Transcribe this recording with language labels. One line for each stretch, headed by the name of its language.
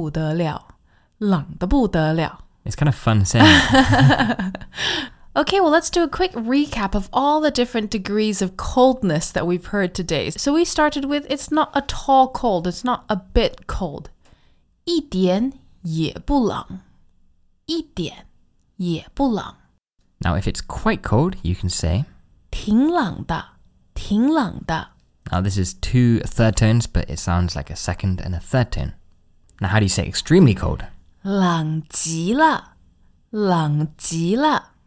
Chinese: 帅得不得了。冷得不得了。热得不得了。冷得不得了。
English: It's kind of fun saying. Okay, well, let's do a quick recap of all the different degrees of coldness that we've heard today. So we started with, it's not at all cold, it's not a bit cold.
Chinese: 一点也不冷。一点也不冷。
English: Now, if it's quite cold, you can say
Chinese: 挺冷的。挺冷的。
English: Now, this is two third tones, but it sounds like a second and a third tone. Now, how do you say extremely cold?
Chinese: 冷极了。冷极了。